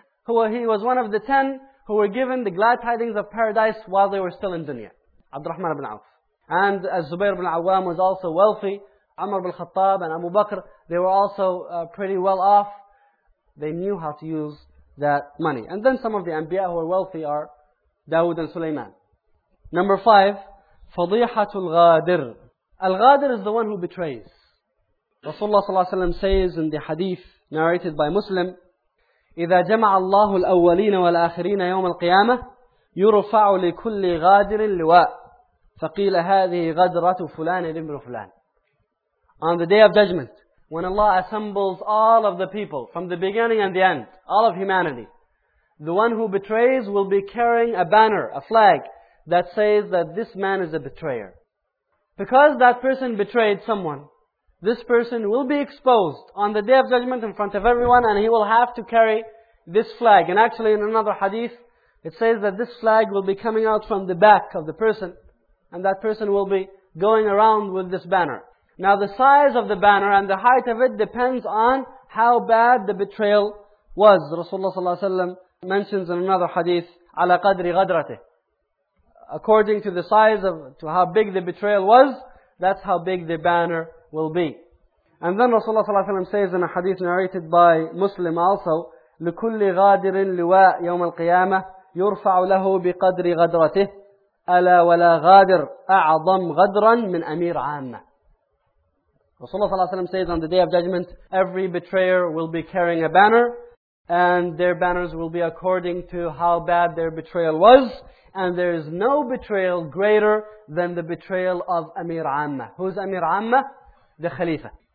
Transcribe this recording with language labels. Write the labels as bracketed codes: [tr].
[en] He was one of the 10 who were given the glad tidings of paradise while they were still in dunya. Abdurrahman ibn Auf. And Zubair ibn Awam was also wealthy. Umar ibn Khattab and Abu Bakr, they were also pretty well off. They knew how to use that money. And then some of the Anbiya who are wealthy are Dawud and Sulaiman. Number 5, [ar] فضيحة الغادر. [en] Al-Ghadir is the one who betrays. Rasulullah sallallahu alayhi wa sallam says in the hadith narrated by Muslim, [ar] إِذَا جَمَعَ اللَّهُ الْأَوَّلِينَ وَالْآخِرِينَ يَوْمَ الْقِيَامَةِ يُرُفَعُ لِكُلِّ غَادِرٍ لِوَاءِ فَقِيلَ هَذِهِ غَدْرَةُ فُلَانِ لِمْرُ فُلَانِ. [en] On the Day of Judgment, when Allah assembles all of the people from the beginning and the end, all of humanity, the one who betrays will be carrying a banner, a flag, that says that this man is a betrayer. Because that person betrayed someone, this person will be exposed on the Day of Judgment in front of everyone and he will have to carry this flag. And actually in another hadith, it says that this flag will be coming out from the back of the person and that person will be going around with this banner. Now the size of the banner and the height of it depends on how bad the betrayal was. Rasulullah sallallahu alayhi wa sallam mentions in another hadith, [ar] عَلَى قَدْرِ غَدْرَتِهِ. [en] According to the size of, to how big the betrayal was, that's how big the banner will be. And then Rasulullah sallallahu alayhi wa sallam says in a hadith narrated by Muslim also, [ar] لِكُلِّ غَادِرٍ لِوَاءِ يَوْمَ الْقِيَامَةِ يُرْفَعُ لَهُ بِقَدْرِ غَدْرَتِهِ أَلَا وَلَا غَادِرْ أَعْضَمْ غَدْرًا مِنْ أَمِيرَ عَامَّةِ. [en] Rasulullah sallallahu alayhi wa sallam says on the Day of Judgment, every betrayer will be carrying a banner, and their banners will be according to how bad their betrayal was, and there is no betrayal greater than the betrayal of Amir Amma. Who is Amir Amma? The Khalifa.